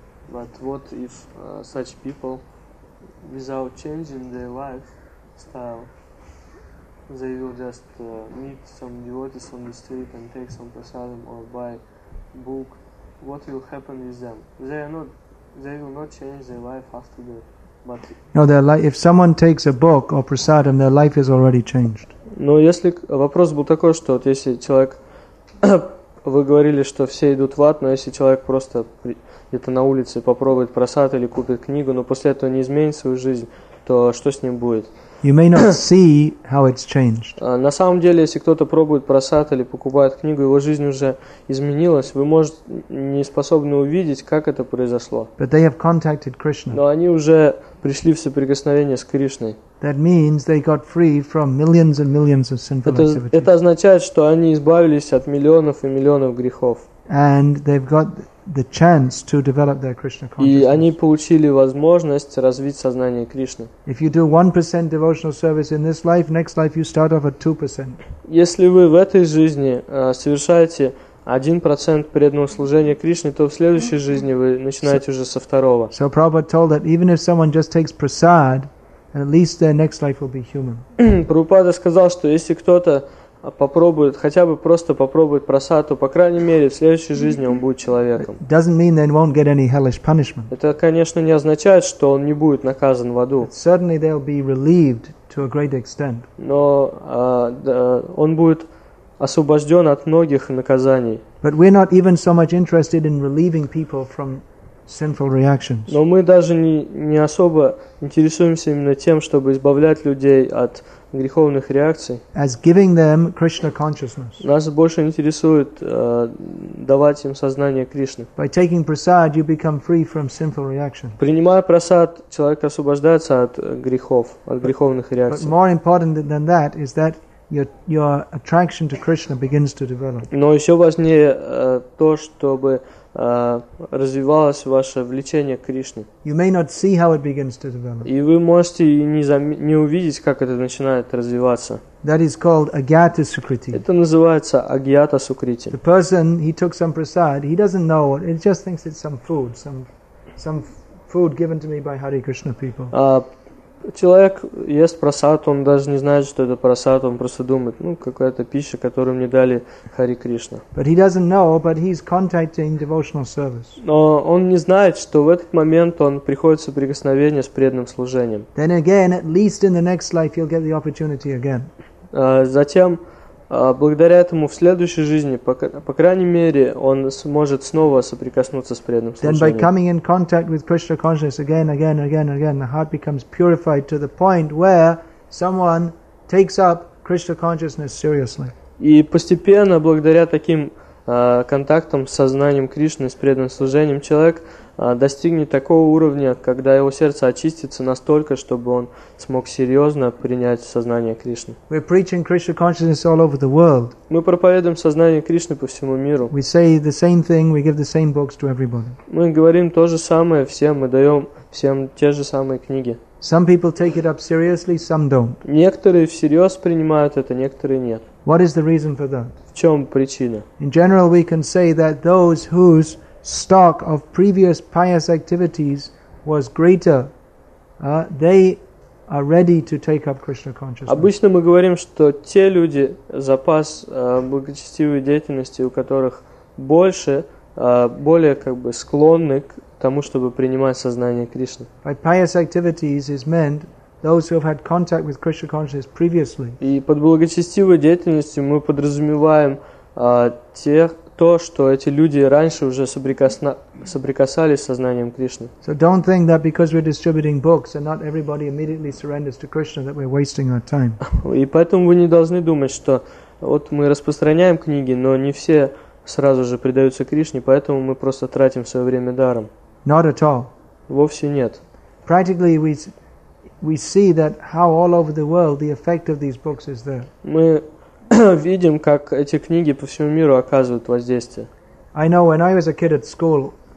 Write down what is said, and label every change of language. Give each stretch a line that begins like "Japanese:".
English: But what if such people, without changing their lifestyle, they will just meet some devotees on the street and take some prasadam or buy book? What will happen with them? They will not change their life after that. But no, their life. If someone takes a book or prasadam, their life is already changed.
Russian: Но если вопрос был такой, что вот если человек вы говорили, что все идут в ад, но если человек просто где-то на улице попробует просад или купит книгу, но после этого не изменит свою жизнь, то что с ним будет?
English: You may not see how it's changed.
Russian: На самом деле, если кто-то пробует просад или покупает книгу, его жизнь уже изменилась, вы, может, не способны увидеть, как это произошло.
English: But they have contacted Krishna.
Russian: Но они уже пришли в соприкосновение с Кришной.
English: That means they got free from millions and millions of sinful activities.
Russian: Это означает, что они избавились от миллионов и миллионов грехов.
English: And they've got the chance to develop their Krishna consciousness.
Russian: И они получили возможность развить сознание Кришны.
English: If you do 1% devotional service in this life, next life you start off at 2%.
Russian: Если вы в этой жизни совершаете 1% преданного служения Кришне, то в следующей жизни вы начинаете уже со второго.
English: So Prabhupada told that even if someone just takes prasad, at least their next life will be human.
Russian: Прабхупада сказал, что если кто-то попробует, хотя бы просто попробует просад, то, по крайней мере, в следующей жизни он будет человеком.
English: It doesn't mean they won't get any hellish punishment.
Russian: Это, конечно, не означает, что он не будет наказан в аду.
English: But certainly they'll be relieved to a great extent.
Russian: Но он будет освобожден от многих наказаний.
English: But we're not even so much interested in relieving people from sinful reactions.
Russian: Но мы даже не особо интересуемся именно тем, чтобы избавлять людей от греховных реакций.
English: As giving them Krishna consciousness.
Russian: Нас больше интересует давать им сознание Кришны.
English: By taking prasad, you become free from sinful reactions.
Russian: Принимая просад, человек освобождается от грехов, от греховных реакций.
English: But more important than that is that your attraction to Krishna begins to develop.
Russian: Но еще важнее то, чтобы развивалось ваше влечение к Кришне.
English: You may not see how it begins to develop.
Russian: И вы можете не увидеть, как это начинает развиваться.
English: That is called agyata sukriti.
Russian: Это называется агьята сукрити.
English: The person, he took some prasad, he doesn't know what, he just thinks it's some food given to me by Hare Krishna people.
Russian: Человек ест прасад, он даже не знает, что это прасад, он просто думает, ну, какая-то пища, которую мне дали Хари Кришна.
English: But he doesn't know, but he's contacting devotional service.
Russian: Но он не знает, что в этот момент он приходит в соприкосновение с преданным служением.
English: Then again, at least in the next life, he'll get the opportunity again.
Russian: Затем, благодаря этому в следующей жизни, по крайней мере, он сможет снова соприкоснуться с преданным служением.
English: Then by coming in contact with Krishna consciousness again, again, again, again, the heart becomes purified to the point where someone takes up Krishna consciousness seriously.
Russian: И постепенно, благодаря таким контактам с сознанием Кришны, с преданным служением, человек достигнет такого уровня, когда его сердце очистится настолько, чтобы он смог серьезно принять сознание Кришны.
English: We're preaching Krishna consciousness all over the world.
Russian: Мы проповедуем сознание Кришны по всему миру.
English: We say the same thing, we give the same books to everybody.
Russian: Мы говорим то же самое всем, мы даем всем те же самые книги.
English: Some people take it up seriously, some don't.
Russian: Некоторые всерьез принимают это, некоторые нет.
English: What is the reason for that?
Russian: В чем причина?
English: In general, we can say that those whose stock of previous pious activities was greater, they are ready to take up Krishna consciousness.
Russian: Обычно мы говорим, что те люди, запас благочестивой деятельности у которых больше, более как бы склонны к тому, чтобы принимать сознание Кришны.
English: By pious activities is meant those who have had contact with Krishna consciousness previously.
Russian: И под благочестивой деятельностью мы подразумеваем тех, то, что эти люди раньше уже соприкасались с сознанием Кришны.
English: So don't think that because we're distributing books and not everybody immediately surrenders to Krishna that we're wasting our time.
Russian: И поэтому вы не должны думать, что вот мы распространяем книги, но не все сразу же предаются Кришне, поэтому мы просто тратим свое время даром.
English: Not at all.
Russian: Вовсе нет.
English: Practically we see that how all over the world the effect of these books is there.
Russian: Мы видим, как эти книги по всему миру оказывают воздействие.
English: I know when I was a kid at school.